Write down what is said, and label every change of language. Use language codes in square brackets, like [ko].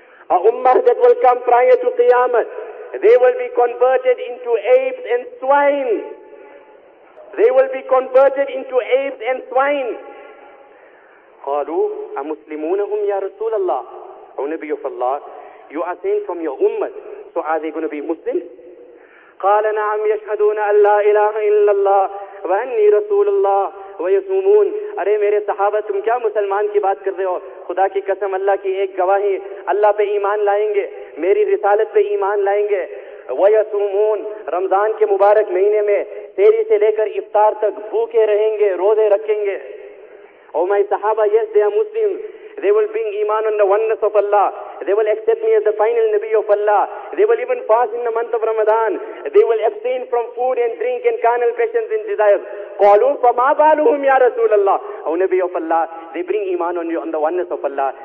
[en] A ummah that will come prior to Qiyamah, they will be converted into apes and swine. They will be converted into apes and swine. [ar] قَالُوا أَمُسْلِمُونَهُمْ يَا رَسُولَ اللَّهِ. [en] O Nabi of Allah, you are saying from your ummah, so are they going to be Muslims? [ar] قال نعم يشهدون أن لا إله إلا الله وأني رسول الله ويصومون. [ur] أرے میرے صحابہ تم کیا مسلمان کی بات کر رہے ہو, خدا کی قسم اللہ کی ایک گواہی, اللہ پہ ایمان لائیں گے, میری رسالت پہ ایمان لائیں گے. ويصومون, رمضان کے مبارک مہینے میں تیری سے لے کر افطار تک بھوکے رہیں گے, روزے رکھیں گے. او مائی صحابہ, [en] yes they are Muslims. They will bring iman on the oneness of Allah. They will accept me as the final Nabi of Allah. They will even fast in the month of Ramadan. They will abstain from food and drink and carnal passions and desires. [ar] قَالُوا فَمَا بَالُهُمْ يَا رَسُولَ اللَّهِ. [en] O Nabi of Allah, they bring iman on you on the oneness of Allah.